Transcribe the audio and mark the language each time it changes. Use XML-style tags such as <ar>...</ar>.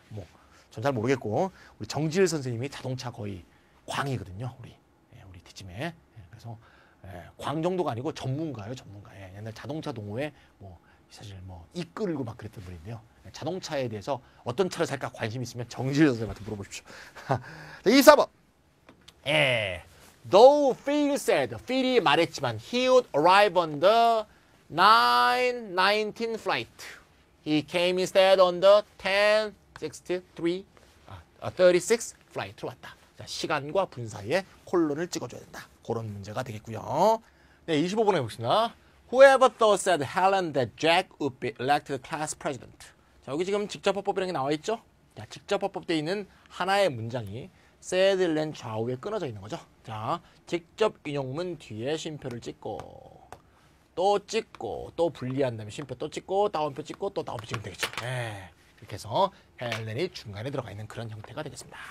<ko>뭐, 전 잘 모르겠고, 우리 정지일 선생님이 자동차 거의 광이거든요. 우리 뒷짐에. 예, 그래서, 광 정도가 아니고 전문가예요. 예, 옛날 자동차 동호회, 사실 뭐 이끌고 막 그랬던 분인데요. 자동차에 대해서 어떤 차를 살까 관심 있으면 정지일 선생님한테 물어보십시오. 24번. 예.</ko> <en>Though Phil said,</en> <ko>Phil이 말했지만</ko> <en>he would arrive on the 9:19 flight. He came instead on the 10:36 flight로</en> <ko>왔다. 자, 시간과 분사에 콜론을 찍어줘야 된다. 그런 문제가 되겠고요. 네, 25번 해보겠습니다.</ko> <en>Whoever thought said Helen that Jack would be elected class president.</en> <ko>자, 여기 지금 직접화법이라는 게 나와있죠? 자, 직접화법되어 있는 하나의 문장이 said 랜 좌우에 끊어져 있는 거죠. 자, 직접 인용문 뒤에 쉼표를 찍고 또 찍고 또 분리한 다음에 쉼표 또 찍고 따옴표 찍고 또 따옴표 찍으면 되겠죠. 네, 이렇게 해서 헬렌이 중간에 들어가 있는 그런 형태가 되겠습니다.</ko>